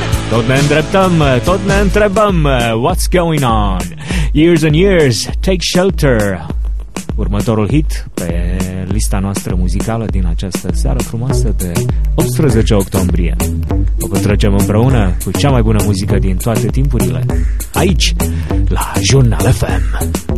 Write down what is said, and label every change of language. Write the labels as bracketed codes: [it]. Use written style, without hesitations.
[ro] Tot ne îndreptăm, tot ne întrebăm, [en] what's going on? Years and Years, Take Shelter. [ro] Următorul hit pe lista noastră muzicală din această seară frumoasă de 18 octombrie. O petrecem împreună cu cea mai bună muzică din toate timpurile, aici, la Jurnal FM.